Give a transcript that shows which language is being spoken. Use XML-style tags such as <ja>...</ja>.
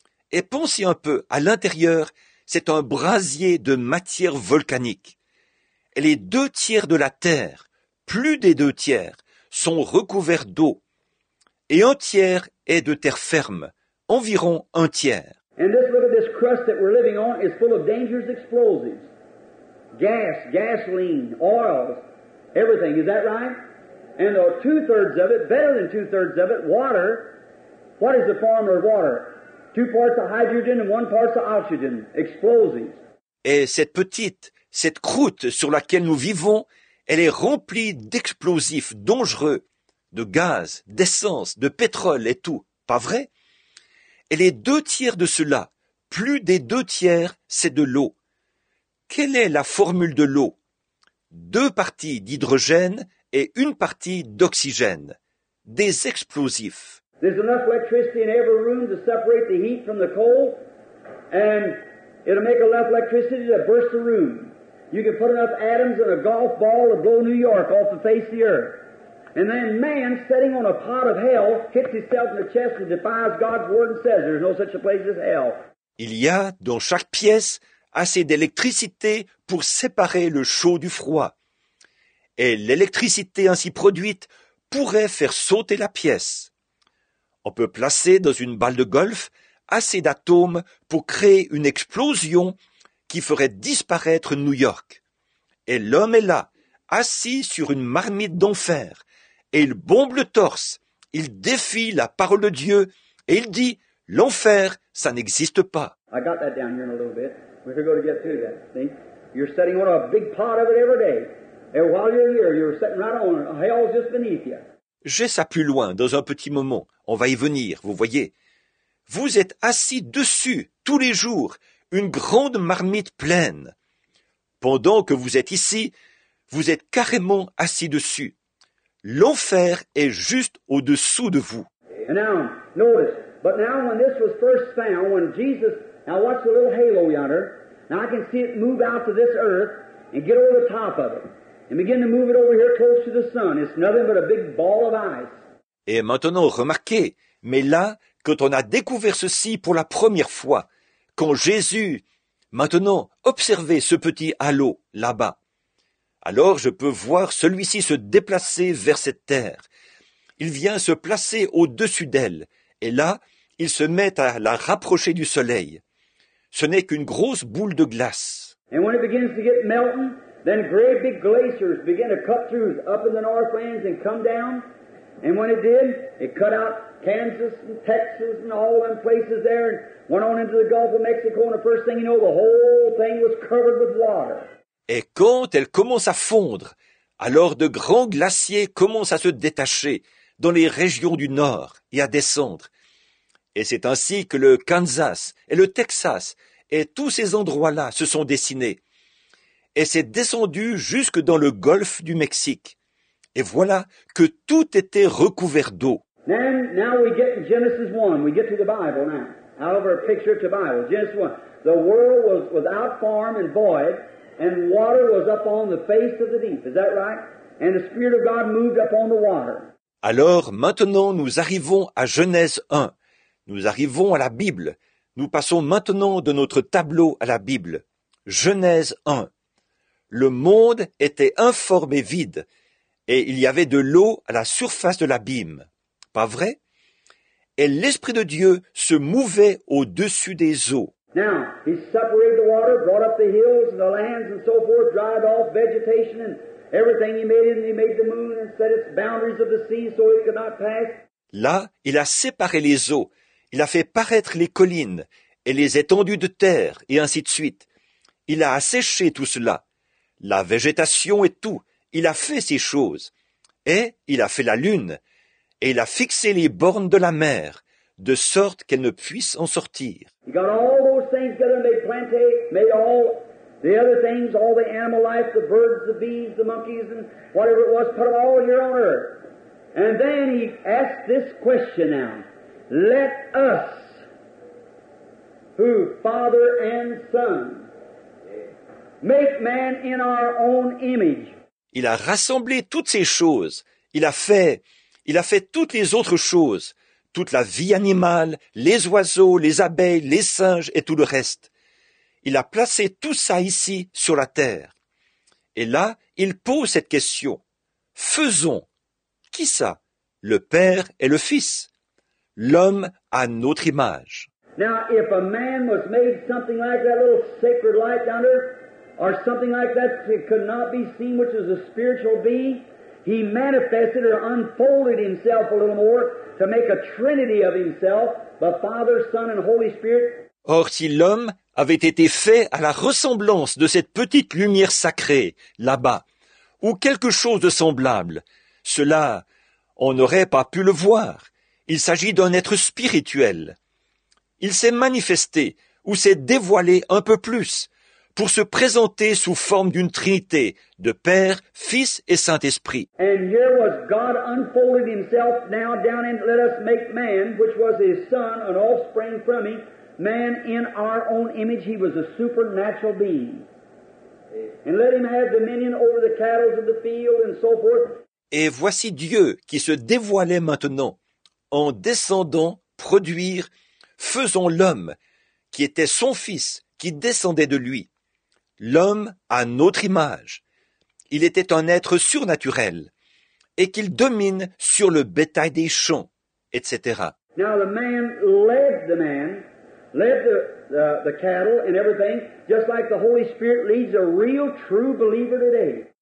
<fr>Et pensez un peu, à l'intérieur, c'est un brasier de matière volcanique. Et les deux tiers de la Terre, plus des deux tiers, sont recouverts d'eau. Et un tiers est de terre ferme, environ un tiers.</fr> <en>And this, look at this crust that we're living on is full of dangerous explosives. Gas, gasoline, oils, everything, is that right? And the two-thirds of it, better than two-thirds of it, water. What is the form of water? Two parts of hydrogen and one part of oxygen. Explosives.</en> <fr>Et cette croûte sur laquelle nous vivons, elle est remplie d'explosifs dangereux, de gaz, d'essence, de pétrole et tout. Pas vrai? Et les deux tiers de cela, plus des deux tiers, c'est de l'eau. Quelle est la formule de l'eau? Deux parties d'hydrogène et une partie d'oxygène, des explosifs.</fr> <en>There's enough electricity in every room to separate the heat from the cold, and it'll make enough electricity to burst the room. You can put enough atoms in a golf ball to blow New York off the face of the earth. And then man, sitting on a pot of hell, hits himself in the chest and defies God's word and says there's no such a place as hell.</en> <fr>Il y a dans chaque pièce assez d'électricité pour séparer le chaud du froid. Et l'électricité ainsi produite pourrait faire sauter la pièce. On peut placer dans une balle de golf assez d'atomes pour créer une explosion qui ferait disparaître New York. Et l'homme est là, assis sur une marmite d'enfer, et il bombe le torse, il défie la parole de Dieu, et il dit « L'enfer, ça n'existe pas ».</fr> <en>I got that down here in a little bit. We could go to get through that, see? You're sitting on a big pot of it every day. And while you're here, you're sitting right on it. Hell's just beneath you.</en> <fr>J'ai ça plus loin, dans un petit moment. On va y venir, vous voyez. Vous êtes assis dessus, tous les jours, une grande marmite pleine. Pendant que vous êtes ici, vous êtes carrément assis dessus. L'enfer est juste au-dessous de vous.</fr> <en>And now, notice, but now when this was first found, when Jesus, now watch the little halo yonder, now I can see it move out to this earth and get over the top of it. And begin to move it over here close to the sun. It's nothing but a big ball of ice.</en> <fr>Et maintenant, remarquez, mais là, quand on a découvert ceci pour la première fois, quand Jésus, maintenant, observez ce petit halo là-bas. Alors je peux voir celui-ci se déplacer vers cette terre. Il vient se placer au-dessus d'elle, et là, il se met à la rapprocher du soleil. Ce n'est qu'une grosse boule de glace.</fr> <en>And when it begins to get melting, then great big glaciers begin to cut through up in the Northlands and come down. And when it did, it cut out Kansas and Texas and all them places there and went on into the Gulf of Mexico. And the first thing you know, the whole thing was covered with water.</en> <fr>Et quand elle commence à fondre, alors de grands glaciers commencent à se détacher dans les régions du Nord et à descendre. Et c'est ainsi que le Kansas et le Texas et tous ces endroits-là se sont dessinés. Et c'est descendu jusque dans le golfe du Mexique. Et voilà que tout était recouvert d'eau.</fr> <en>Now we get in Genesis 1, we get to the Bible now. However, a picture of the Bible, Genesis 1. The world was without form and void, and water was up on the face of the deep. Is that right? And the Spirit of God moved up on the water.</en> <fr>Alors, maintenant, nous arrivons à Genèse 1. Nous arrivons à la Bible. Nous passons maintenant de notre tableau à la Bible. Genèse 1. Le monde était informe et vide, et il y avait de l'eau à la surface de l'abîme. Pas vrai? Et l'Esprit de Dieu se mouvait au-dessus des eaux.</fr> <en>Now, he separated the water, brought up the hills and the lands and so forth, dried off vegetation and everything he made, and he made the moon and set its boundaries of the sea so it could not pass.</en> <fr>Là, il a séparé les eaux. Il a fait paraître les collines et les étendues de terre, et ainsi de suite. Il a asséché tout cela, la végétation et tout. Il a fait ces choses. Et il a fait la lune, et il a fixé les bornes de la mer, de sorte qu'elle ne puisse en sortir. Il a fait toutes ces choses ensemble, il a planté, il a fait toutes les autres choses, toutes les animaux, les oiseaux, les bêtes, les monkeys, et</fr> <en>whatever it was, put it all here on earth. And then he asked this question now. Let us, who Father and Son, make man in our own image.</en> <fr>Il a rassemblé toutes ces choses. Il a fait toutes les autres choses, toute la vie animale, les oiseaux, les abeilles, les singes et tout le reste. Il a placé tout ça ici sur la terre. Et là, il pose cette question. Faisons. Qui ça? Le Père et le Fils. L'homme à notre image.</fr> <en>Now, if a man was made something like that little sacred light down there, or something like that that could not be seen, which is a spiritual being, he manifested or unfolded himself a little more to make a trinity of himself, the Father, Son, and Holy Spirit.</en> <fr>Or, si l'homme avait été fait à la ressemblance de cette petite lumière sacrée, là-bas, ou quelque chose de semblable, cela, on n'aurait pas pu le voir. Il s'agit d'un être spirituel. Il s'est manifesté ou s'est dévoilé un peu plus pour se présenter sous forme d'une trinité de Père, Fils et Saint-Esprit.</fr> <en>And here was God unfolded himself now down in let us make man, which was his son, an offspring from him, man in our own image. He was a supernatural being. And let him have dominion over the cattle of the field and so forth.</en> <fr>Et voici Dieu qui se dévoilait maintenant. En descendant, produire, faisons l'homme, qui était son fils, qui descendait de lui. L'homme à notre image. Il était un être surnaturel, et qu'il domine sur le bétail des champs, etc.</fr> <en>Now the man led the man, led the cattle and everything, just like the Holy Spirit leads a real true believer today.</en>